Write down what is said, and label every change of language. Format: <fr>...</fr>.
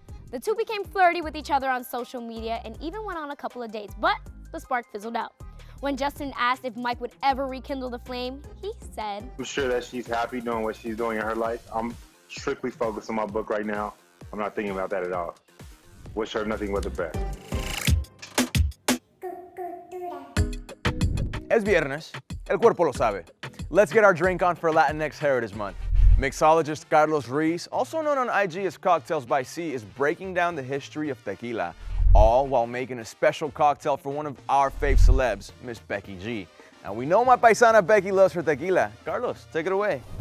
<en>The two became flirty with each other on social media and even went on a couple of dates, but the spark fizzled out. When Justin asked if Mike would ever rekindle the flame, he said, I'm sure that she's happy doing what she's doing in her life. I'm strictly focused on my book right now. I'm not thinking about that at all. Wish her nothing but the best.</en> <es>Es viernes, el cuerpo lo sabe.</es> <en>Let's get our drink on for Latinx Heritage Month. Mixologist Carlos Ruiz, also known on IG as Cocktails by C, is breaking down the history of tequila, all while making a special cocktail for one of our fave celebs, Miss Becky G. And we know my paisana Becky loves her tequila. Carlos, take it away.</en>